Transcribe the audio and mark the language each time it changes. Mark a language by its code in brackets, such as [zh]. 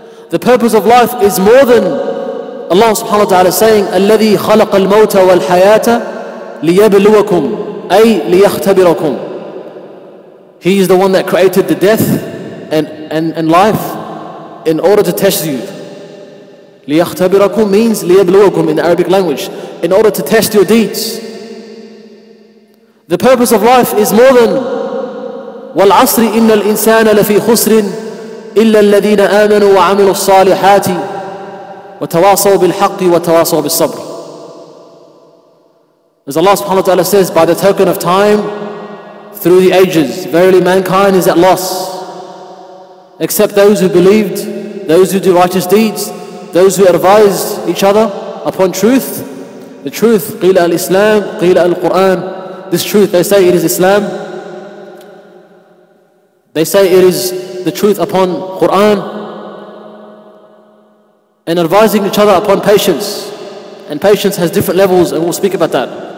[en] The purpose of life is more than Allah subhanahu wa ta'ala saying, [ar] الَّذِي خَلَقَ الْمَوْتَ وَالْحَيَاةَ لِيَبْلُوَكُمْ أَيْ لِيَخْتَبِرَكُمْ. [en] He is the one that created the death and life in order to test you. لِيَخْتَبِرَكُمْ means لِيَبْلُوَكُمْ in the Arabic language, in order to test your deeds. The purpose of life is more than [ar] وَالْعَصْرِ إِنَّ الْإِنسَانَ لَفِي خُسْرٍ إِلَّا الَّذِينَ آمَنُوا وَعَمِلُوا الصَّالِحَاتِ وَتَوَاصَوْا بِالْحَقِّ وَتَوَاصَوْا بِالصَّبْرِ. [en] As Allah subhanahu wa ta'ala says, by the token of time, through the ages, verily mankind is at loss, except those who believed, those who do righteous deeds, those who advise each other upon truth. The truth, [ar] قِيلَ الْإِسْلَامِ قِيلَ الْقُرْآنِ. [en] This truth, they say it is Islam. They say it is the truth upon Quran, and advising each other upon patience. And patience has different levels, and we'll speak about that.